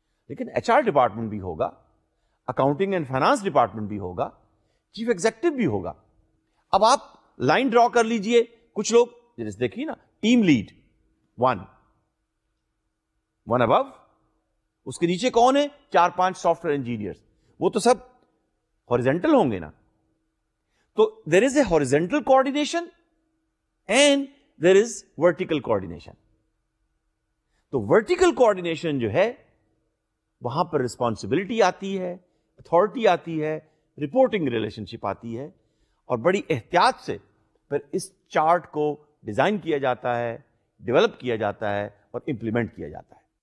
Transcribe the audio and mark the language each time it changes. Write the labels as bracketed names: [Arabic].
[Urdu] لیکن H R department بھی ہوگا، اکاؤنٹنگ اینڈ فائنانس ڈپارٹمنٹ بھی ہوگا، چیف ایگزیکٹو بھی ہوگا. اب آپ لائن ڈرا کر لیجئے, کچھ لوگ جیسے دیکھیے نا, ٹیم لیڈ ون ابو, اس کے نیچے کون ہے, چار پانچ سافٹ ویئر انجینئرز, وہ تو سب ہوریزنٹل ہوں گے نا. [English] تو there is a horizontal coordination and there is vertical coordination. [Urdu] تو ورٹیکل کوآرڈینیشن جو ہے وہاں پر ریسپانسبلٹی آتی ہے, اتھارٹی آتی ہے, رپورٹنگ ریلیشن شپ آتی ہے, اور بڑی احتیاط سے پھر اس چارٹ کو ڈیزائن کیا جاتا ہے, ڈیولپ کیا جاتا ہے اور امپلیمنٹ کیا جاتا ہے.